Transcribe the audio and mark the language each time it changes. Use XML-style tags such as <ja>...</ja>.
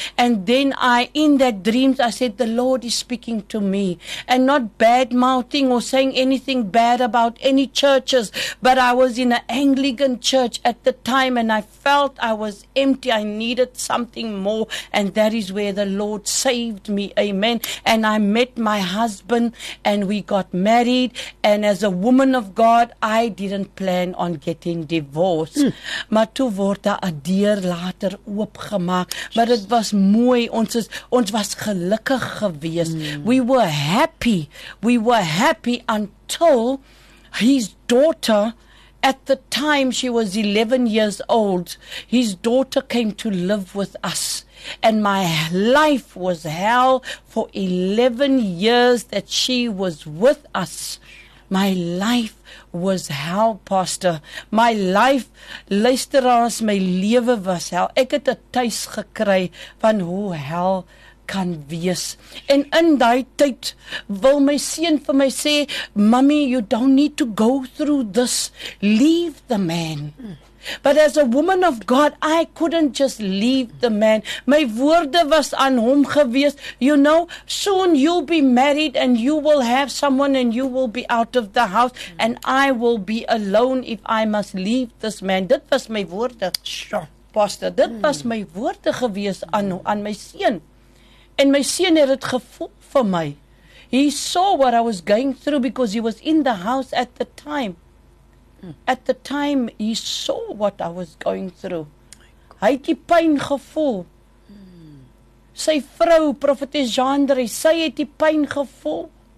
<en>And then in that dreams, I said, the Lord is speaking to me, and not bad mouthing or saying anything bad about any churches, but I was in an Anglican church at the time, and I felt I was empty. I needed something more, and that is where the Lord saved me. Amen. And I met my husband, and we got married. And as a woman of God, I didn't plan on getting divorced.</en> <af>Maar toe word daar 'n deur later oopgemaak. Maar dit was mooi. Ons was gelukkig geweest.</af> <en>We were happy. We were happy until his daughter. At the time, she was 11 years old. His daughter came to live with us. And my life was hell for 11 years that she was with us. My life was hell, Pastor. My life,</en> <af>luister as my lewe was</af> <en>hell.</en> <af>Ek het 'n tuis gekry van hoe hell kan wees. En in daai tyd wil my seun vir my sê,</af> <en>"Mommy, you don't need to go through this. Leave the man." But as a woman of God, I couldn't just leave the man. My woorde was aan hom gewees, "You know, soon you'll be married and you will have someone and you will be out of the house and I will be alone if I must leave this man."</en> <af>Dit was my woorde. Pastor, dit was my woorde gewees aan my seun.</af> <en>And my seun had it gevoel for me. He saw what I was going through because he was in the house at the time. At the time, he saw what I was going through.</en> <af>Hy het die pyn gevoel. Sy vrou, Prophetess Jandre, sy het die pyn gevoel.</af>